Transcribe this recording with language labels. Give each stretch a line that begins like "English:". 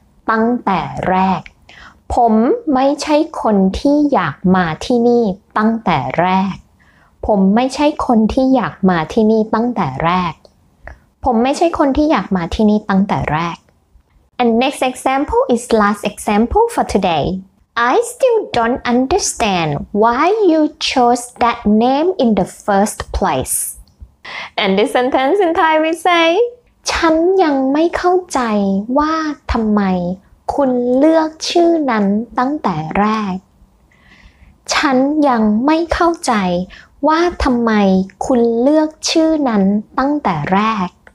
Thai: ตั้งแต่แรกผมไม่ใช่คนที่อยากมาที่นี่ตั้งแต่แรกผมไม่ใช่คนที่อยากมาที่นี่ตั้งแต่แรกผมไม่ใช่คนที่อยากมาที่นี่ตั้งแต่แรก
English: And next example is last example for today. I still don't understand why you chose that name in the first place. And this sentence in Thai we say
Thai: ฉันยังไม่เข้าใจว่าทำไมคุณเลือกชื่อนั้นตั้งแต่แรกฉันยังไม่เข้าใจว่าทำไมคุณเลือกชื่อนั้นตั้งแต่แรก